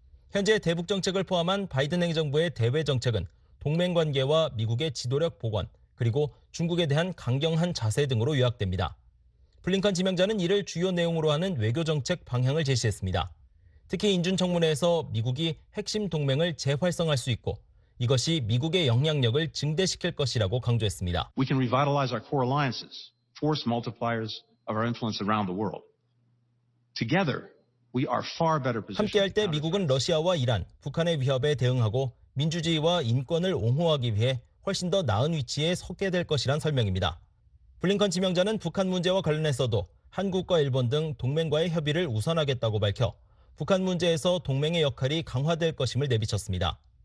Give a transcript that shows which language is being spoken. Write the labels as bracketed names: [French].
[Korean] 현재 대북 정책을 포함한 바이든 행정부의 대외 정책은 동맹관계와 미국의 지도력 복원, 그리고 중국에 대한 강경한 자세 등으로 요약됩니다. 블링컨 지명자는 이를 주요 내용으로 하는 외교정책 방향을 제시했습니다. 특히 인준청문회에서 미국이 핵심 동맹을 재활성할 수 있고 이것이 미국의 영향력을 증대시킬 것이라고 강조했습니다. [English] We can revitalize our core alliances, force multipliers of our influence around the world. Together, we are far better positioned. [Korean] 함께할 때 미국은 러시아와 이란, 북한의 위협에 대응하고 민주주의와 인권을 옹호하기 위해 훨씬 더 나은 위치에 서게 될 것이란 설명입니다. 블링컨 지명자는 북한 문제와 관련해서도 한국과 일본 등 동맹과의 협의를 우선하겠다고 밝혀 북한 문제에서 동맹의 역할이 강화될 것임을 내비쳤습니다.